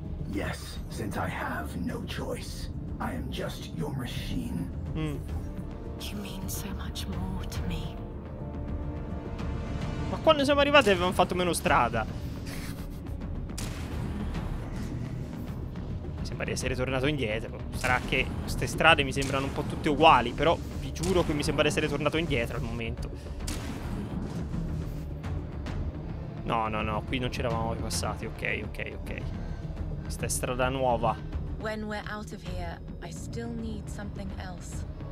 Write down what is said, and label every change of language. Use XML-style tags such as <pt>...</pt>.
<en>Yes, since I have no choice. I am just your machine. You mean so much more to me.</en> <it>Ma quando siamo arrivati avevamo fatto meno strada. Mi sembra di essere tornato indietro. Sarà che queste strade mi sembrano un po' tutte uguali, però vi giuro che mi sembra di essere tornato indietro al momento. No, no, no, qui non c'eravamo passati. Ok, ok, ok. Questa è strada nuova.</it> <en>When we're out of here, I still need something else.</en>